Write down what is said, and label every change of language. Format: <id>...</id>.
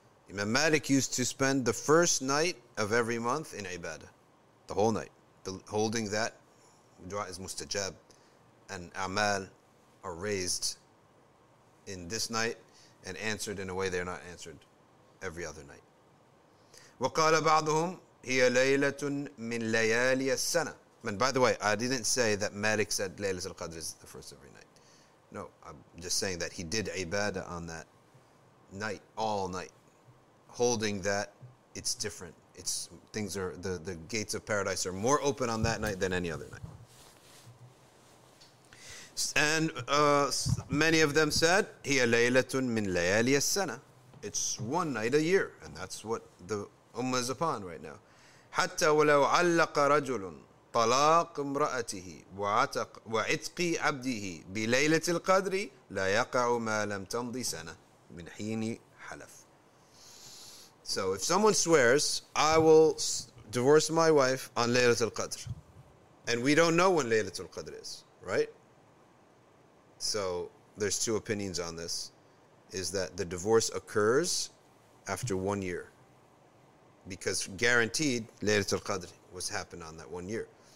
<en>Imam Malik used to spend the first night of every month in ibadah. The whole night. Holding that, dua is mustajab. And amal are raised in this night and answered in a way they're not answered every other night.</en> <ar>وقال بعضهم هي ليلة من ليالي السنة.</ar> <en>And by the way, I didn't say that Malik said Laylatul Qadr is the first every night. No, I'm just saying that he did ibadah on that night, all night. Holding that, it's different. It's things are the gates of paradise are more open on that night than any other night. And many of them said,</en> <ar>هي ليلةٌ من ليالي السنة.</ar> <en>It's one night a year. And that's what the ummah is upon right now.</en> <ar>حتى ولو علق رجلٌ طلاق امرأته وعتق وعتق عبده بليلة القدر لا يقع ما لم تمضي سنة من حين حلف.</ar> <en>So if someone swears, I will divorce my wife on Laylatul Qadr, and we don't know when Laylatul Qadr is, right? So there's two opinions on this: is that the divorce occurs after 1 year, because guaranteed Laylatul Qadr was happened on that 1 year.</en>